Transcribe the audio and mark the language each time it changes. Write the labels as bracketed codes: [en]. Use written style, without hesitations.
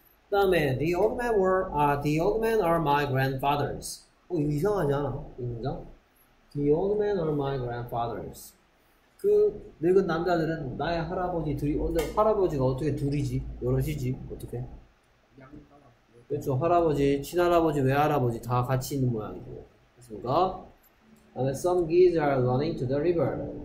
[en] 다음에 the old man were the old man are my grandfathers. [ko] 어, 이상하지 않아? 이 문장. [en] The old man are my grandfathers. [ko] 그 늙은 남자들은 나의 할아버지들이 언제 할아버지가 어떻게 둘이지? 여럿이지? 어떻게? 그렇죠. 할아버지, 친할아버지, 외할아버지 다 같이 있는 모양이죠. 그렇습니까? [en] 다음에 some geese are running to the river.